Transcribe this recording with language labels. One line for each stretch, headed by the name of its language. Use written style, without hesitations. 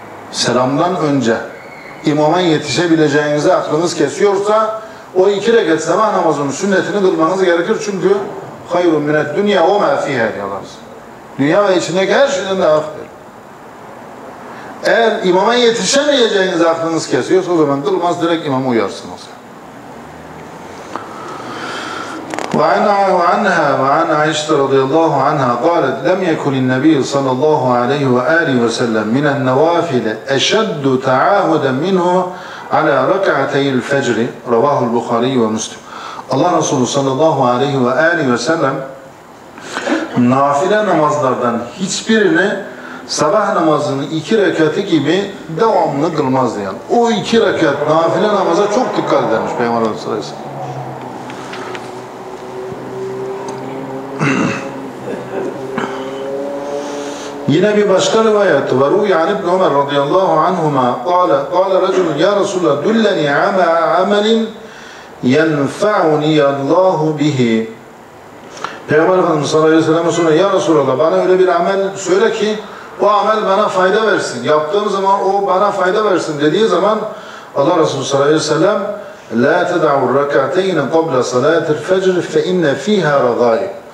Turkish: Selamdan önce imama yetişebileceğinizi aklınız kesiyorsa o 2 rekat sabah namazının sünnetini kılmanız gerekir. Çünkü
Arabic: hayrun mined dünya ve ma fiha
Turkish: diyorlar. Dünya ve içindeki her şeyden daha hayırlı. Eğer imama yetişemeyeceğinizi aklınız kesiyorsa o zaman kılmaz, direkt imama uyarsınız.
Arabic: وعن عنها وعن عائشة رضي الله عنها قالت لم يكن النبي صلى الله عليه وآله وسلم من النوافل أشد تعاهدا منه على ركعتي الفجر رواه البخاري ومسلم. الله رسول صلى الله عليه وآله وسلم نافلة
Turkish: namazlardan hiçbirini sabah namazının 2 rekatı gibi devamlı kılmaz diyen. O 2 rekat nafile namaza çok dikkat edermiş Peygamber Efendimiz sallallahu Yine bir başka rivayet var. Yani İbn Ömer radıyallahu anhuma
Arabic: قال رجل يا رسول الله دلني عمل ينفعني الله به.
Turkish: Peygamber Efendimiz sallallahu aleyhi ve sellem sonra ya Resulallah bana öyle bir amel söyle ki o amel bana fayda versin. Yaptığım zaman o bana fayda versin dediği zaman Allah Resulü sallallahu aleyhi ve sellem
Arabic: la tad'u rak'atayn qabla salati'l fecr fe inna fiha ragaib.